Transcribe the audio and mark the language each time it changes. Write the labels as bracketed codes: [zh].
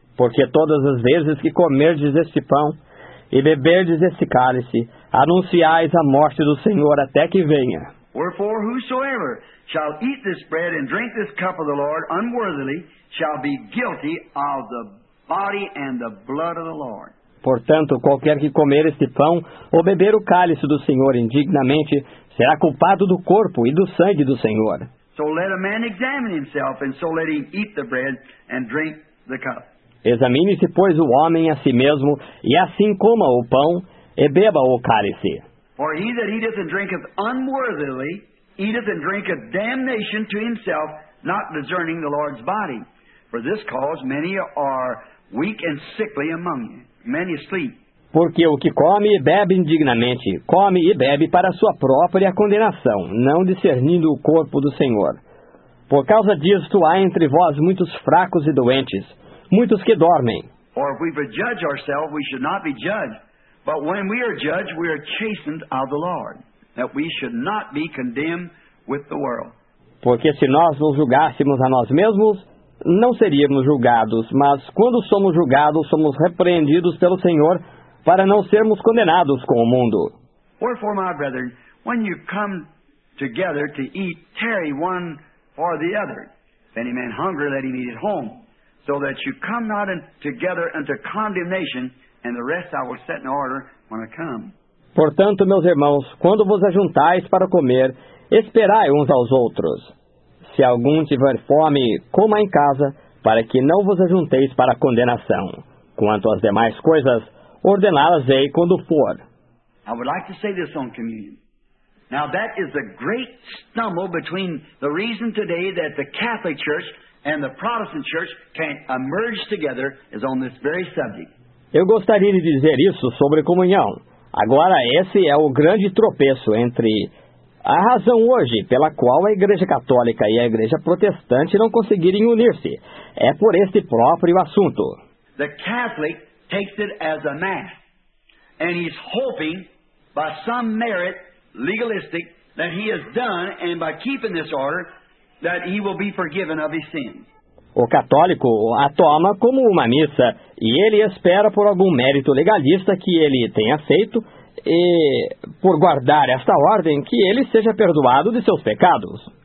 [pt] Porque todas as vezes que comerdes este pão e beberdes este cálice, anunciais a morte do Senhor até que venha. [en] Wherefore, whosoever shall eat this bread and drink this cup of the Lord unworthily shall be guilty of the body and the blood of the Lord. [pt] Portanto, qualquer que comer este pão ou beber o cálice do Senhor indignamente será culpado do corpo e do sangue do Senhor. [en] So let a man examine himself, and so let him eat the bread and drink the cup. [pt] Examine-se, pois, o homem a si mesmo, e assim coma o pão e beba o cálice. [en] For he that eateth and drinketh unworthily, eateth and drinketh damnation to himself, not discerning the Lord's body. For this cause many are weak and sickly among you. Many sleep. [pt] Porque o que come e bebe indignamente, come e bebe para sua própria condenação, não discernindo o corpo do Senhor. Por causa disto há entre vós muitos fracos e doentes, muitos que dormem. [en] Or if we would judge ourselves, we should not be judged. But when we are judged, we are chastened of the Lord, that we should not be condemned with the world. [pt] Porque se nós nos julgássemos a nós mesmos, não seríamos julgados, mas quando somos julgados, somos repreendidos pelo Senhor para não sermos condenados com o mundo. [en] Wherefore, my brethren, when you come together to eat, tarry one for the other. If any man hunger, let him eat at home, so that you come not together unto condemnation, and the rest I will set in order when I come. [pt] Portanto, meus irmãos, quando vos ajuntais para comer, esperai uns aos outros. Se algum tiver fome, coma em casa, para que não vos ajunteis para a condenação. Quanto às demais coisas, ordená-las-ei quando for. [en] I would like to say this on communion. Now that is the great stumble between the reason today that the Catholic Church and the Protestant Church can't emerge together is on this very subject. [pt] Eu gostaria de dizer isso sobre comunhão. Agora, esse é o grande tropeço entre a razão hoje pela qual a Igreja Católica e a Igreja Protestante não conseguirem unir-se. É por este próprio assunto. [en] The Catholic takes it as a mass, and he's hoping by some merit legalistic that he has done, and by keeping this order, that he will be forgiven of his sins. [pt] O católico a toma como uma missa, e ele espera por algum mérito legalista que ele tenha feito, e por guardar esta ordem, que ele seja perdoado de seus pecados.